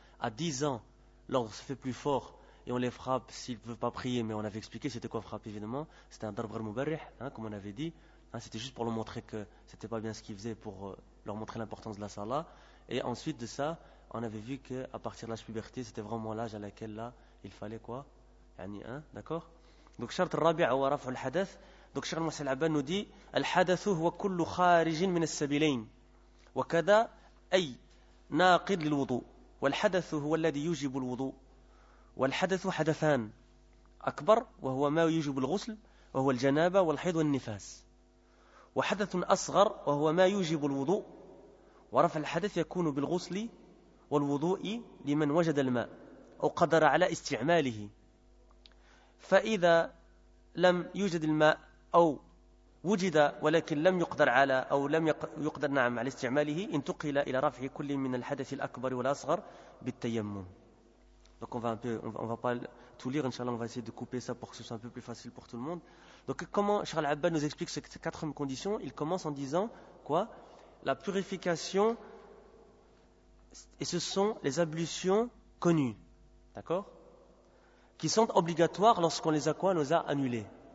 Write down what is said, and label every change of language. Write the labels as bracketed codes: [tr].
[fr] À 10 ans, l'ordre se fait plus fort et on les frappe s'ils ne veulent pas prier, mais on avait expliqué c'était quoi frapper, évidemment. C'était un darb al-mubarrih, comme on avait dit. C'était juste pour leur montrer que ce n'était pas bien ce qu'ils faisaient, pour leur montrer l'importance de la salah. Et ensuite de ça, on avait vu qu'à partir de l'âge puberté, c'était vraiment l'âge à laquelle là, il fallait quoi yani, d'accord. [ar] Donc, شرط الرابع هو رفع الحدث. [fr] Donc, Cheikh Moussa Al-Aban nous dit [ar] الحدث هو كل خارج من السبيلين وكذا أي ناقض للوضوء والحدث هو الذي يجب الوضوء والحدث حدثان أكبر وهو ما يجب الغسل وهو الجنابة والحيض والنفاس وحدث أصغر وهو ما يجب الوضوء ورفع الحدث يكون بالغسل والوضوء لمن وجد الماء أو قدر على استعماله فإذا لم يوجد الماء أو وجد ولكن لم يقدر على أو لم يقدر نعم على استعماله انتقل إلى رفع كل من الحدث الأكبر والأصغر بالتيمم. [fr] Donc on va pas tout lire, inchallah, on va essayer de couper ça pour que ce soit un peu plus facile pour tout le monde. Donc comment Cheikh Al-Abbas nous explique ces quatre conditions? Il commence en disant quoi? La purification, et ce sont les ablutions connues, d'accord, qui sont obligatoires lorsqu'on les a quoi, nous a annulés.